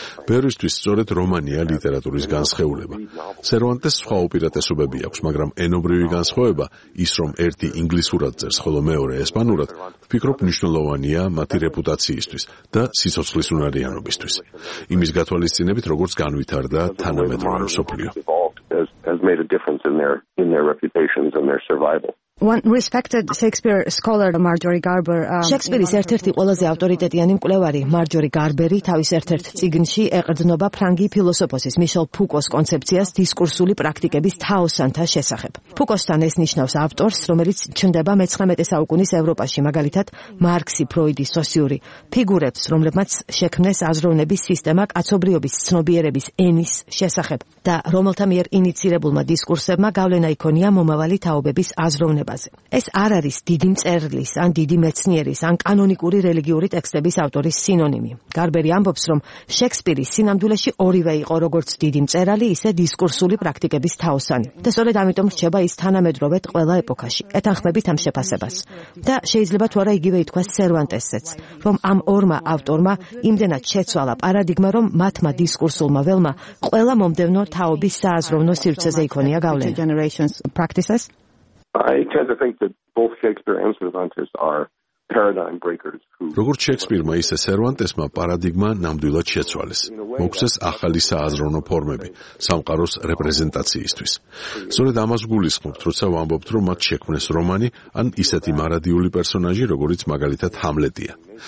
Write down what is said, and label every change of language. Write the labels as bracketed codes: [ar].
[ka] ბევრისთვის სწორედ რომანია ლიტერატურის განსხეულება. სერვანტეს სხვა უპირატესობები აქვს, მაგრამ ენობრივი განსხვავება, ის რომ ერთი ინგლისურად წერს, ხოლო მეორე ესპანურად, ვფიქრობ მნიშვნელოვანია მათი რეპუტაციისთვის და სიცოცხლის უნარიანობისთვის. იმის გათვალისწინებით, როგორც განვითარდა თანამედროვე მსოფლიო. [en] Has made a difference in their reputations and their survival. One respected Shakespeare scholar Marjorie Garber [ka] Shakespeare-ის ერთ-ერთი ყველაზე ავტორიტეტიანი მკვლევარი Marjorie Garber-ი თავის ერთ-ერთ წიგნში ეყრდნობა ფრანგი ფილოსოფოსის Michel Foucault-ს კონცეფციას დისკურსული პრაქტიკების თაოსანთა შესახებ. Foucault-თან ეს ნიშნავს ავტორს, რომელიც ჩნდება 19 საუკუნის ევროპაში, მაგალითად მარქსი, ფროიდი, სოციური ფიგურებს, რომლებმაც შექმნეს აზროვნების სისტემა კაცობრიობის, ცნობიერების, ენის შესახებ და რომელთა მიერ ინიცირებულმა დისკურსებმა გავლენა იქონია მომავალი თაობების აზრო ნებაზე. ეს არ არის დიდი მწერლის ან დიდი მეცნიერის ან კანონიკური რელიგიური ტექსტების ავტორის სინონიმი. გარბერი ამბობს, რომ შექსპირი სინამდვილეში ორივე იყო, როგორც დიდი მწერალი, ისე დისკურსული პრაქტიკების თაოსანი. და სწორედ ამიტომ რჩება ის თანამედროვე ყველა ეპოქაში. ეთანხმებით ამ შეფასებას. და შეიძლება თუ არა იგივე ითქვას სერვანტესზეც, რომ ამ ორმა ავტორმა იმდენად შეცვალა პარადიგმა, რომ მათმა დისკურსულმა ველმა ყველა მომდევნო თაობის სააზროვნო სივრცეზე იქონია გავლენა. [en] I tend to think that both Shakespeare and Cervantes are paradigm breakers. [ka] როგორც შექსპირმა, ისე სერვანტესმა პარადიგმა ნამდვილად შეცვალეს. მოქცეს ახალი სააზროვნო ფორმები სამყაროს რეპრეზენტაციისთვის. სწორედ ამას გულისხმობთ, როცა ვამბობთ, რომ მათ შექმნეს რომანი ან ისეთი მარადიული პერსონაჟი, როგორიც მაგალითად ჰამლეტია.